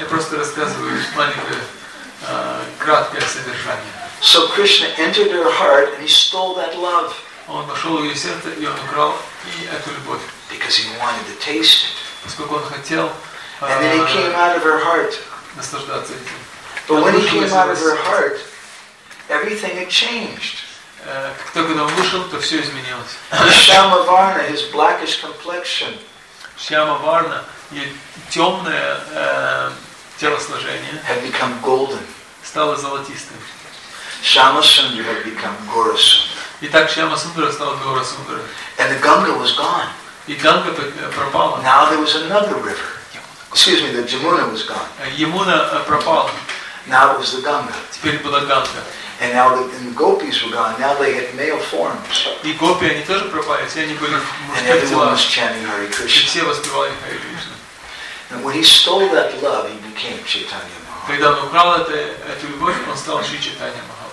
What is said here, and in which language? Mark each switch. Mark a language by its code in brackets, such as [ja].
[ru] Я просто рассказываю маленькое краткое содержание. [en] So Krishna entered her heart and he stole that love. [ru] Он вошел в ее сердце и он украл и эту любовь. [en] Because he wanted to taste it. [ru] Поскольку он хотел наслаждаться этим. [en] But when he came out of her heart, everything had changed. [ru] Как только он вышел, то все изменилось. [en] Shyamavarna, his blackish complexion. [ru] Shyamavarna, ее темное телосложение. [en] Had become golden. [ru] Стало золотистым. [en] Shyamasundara had become Gaurasundara. [ru] И так Shyamasundara стал Gaurasundara. [en] And the Ganga was gone. [ru] И Ганга пропала. [en] Now there was another river. Excuse me, the Yamuna was gone. [ru] Yamuna пропала. [en] Now it was the Ganga. [ru] Теперь была Ганга. [en] And now the gopis were gone. Now they had male forms. [ru] И гопи они тоже пропали, все они были мужские. [en] And everyone was chanting Hare Krishna. [ru] И все воспевали Hare Krishna. [en] And when he stole that love, he became Chaitanya Mahaprabhu. [ru] Когда он украл эту любовь, он стал Шри Чайтанья Махапрабху.